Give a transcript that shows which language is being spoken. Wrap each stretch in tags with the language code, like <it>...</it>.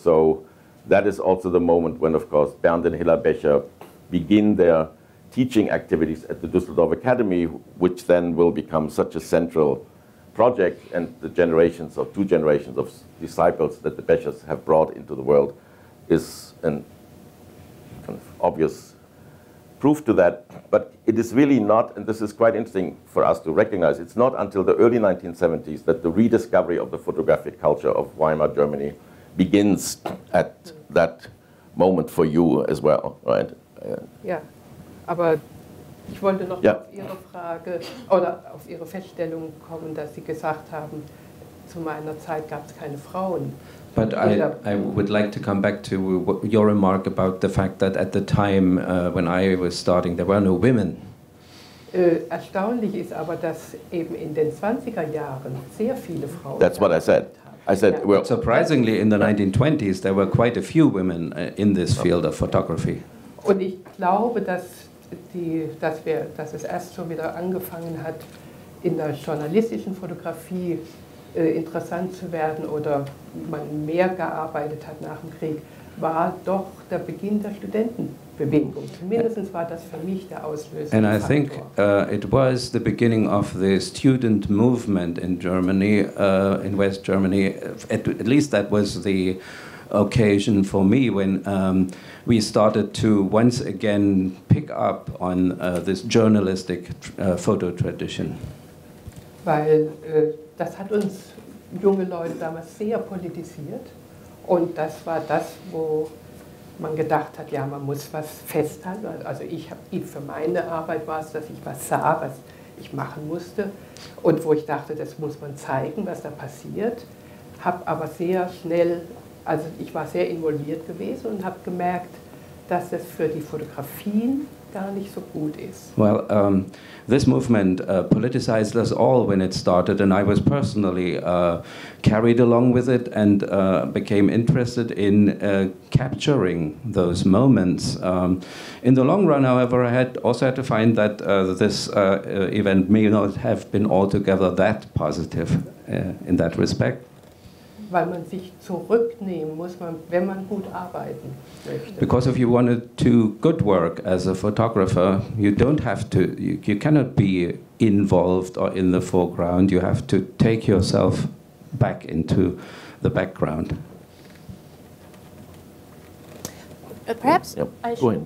<en>So that is also the moment when, of course, Bernd and Hilla Becher begin their teaching activities at the Düsseldorf Academy, which then will become such a central project, and the generations of two generations of disciples that the Bechers have brought into the world is an kind of obvious proof to that, but it is really not, and this is quite interesting for us to recognize, it's not until the early 1970s that the rediscovery of the photographic culture of Weimar Germany begins at that moment for you as well, right?</en> <de>Yeah, aber ich wollte noch auf Ihre Frage oder auf Ihre Feststellung kommen, dass Sie gesagt haben, zu meiner Zeit gab es keine Frauen.</de> <en>But I would like to come back to your remark about the fact that at the time when I was starting, there were no women.</en> <de>Erstaunlich ist aber, dass eben in den 20er Jahren sehr viele Frauen.</de> <en>That's what I said. I said, yeah. Well, surprisingly, in the 1920s, there were quite a few women in this field of photography.</en> <de>Und ich glaube, dass dass es erst schon wieder angefangen hat, in der journalistischen Fotografie interessant zu werden oder man mehr gearbeitet hat nach dem Krieg, war doch der Beginn der Studentenbewegung. Zumindest war das für mich der Auslöser.</de> <en>And I think it was the beginning of the student movement in Germany, in West Germany. At least that was the occasion for me when we started to once again pick up on this journalistic photo tradition.</en> <de>Weil das hat uns junge Leute damals sehr politisiert und das war das, wo man gedacht hat, ja, man muss was festhalten. Also ich habe für meine Arbeit war es, dass ich was sah, was ich machen musste und wo ich dachte, das muss man zeigen, was da passiert, habe aber sehr schnell, also ich war sehr involviert gewesen und habe gemerkt, dass das für die Fotografien gar nicht so gut ist.</de> <en>Well, this movement politicized us all when it started, and I was personally carried along with it and became interested in capturing those moments. In the long run, however, I had also had to find that this event may not have been altogether that positive in that respect.</en> <de>Weil man sich zurücknehmen muss, wenn man gut arbeiten möchte.</de> <en>Because if you want to do good work as a photographer, you don't have to, you cannot be involved or in the foreground. You have to take yourself back into the background. Perhaps I should.</en>